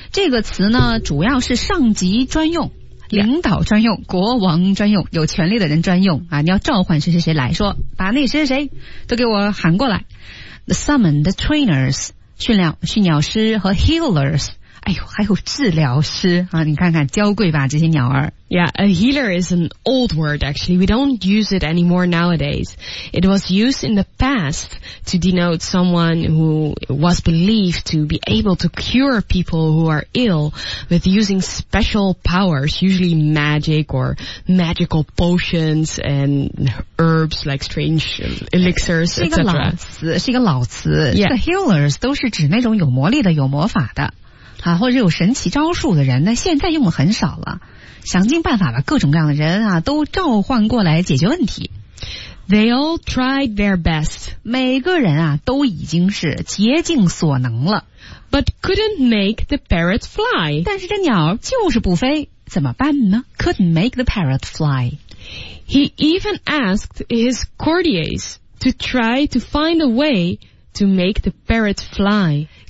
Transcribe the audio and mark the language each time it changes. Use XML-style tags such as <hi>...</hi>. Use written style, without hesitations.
<zh>这个词呢，主要是上级专用。领导专用，国王专用，有权力的人专用啊！你要召唤谁谁谁来说，把那谁谁都给我喊过来。</zh> <en>The summon the trainers，</en> <zh>训鸟师和 healers， 哎呦，还有治疗师啊！你看看，娇贵吧这些鸟儿。</zh> <en>Yeah, a healer is an old word actually. We don't use it anymore nowadays. It was used in the past to denote someone who was believed to be able to cure people who are ill with using special powers, usually magic or magical potions and herbs like strange elixirs, etc.</en> <zh>是一个老词。Yeah. Healers 都是指那种有魔力的、有魔法的。啊，或者有神奇招数的人，那现在用的很少了。想尽办法把各种各样的人啊都召唤过来解决问题。</zh> <en>They all tried their best.</en> <zh>每个人啊都已经是竭尽所能了。</zh> <en>But couldn't make the parrot fly.</en> <zh>但是这鸟就是不飞，怎么办呢？</zh> <en>Couldn't make the parrot fly. He even asked his courtiers to try to find a way to make the parrot fly.</en>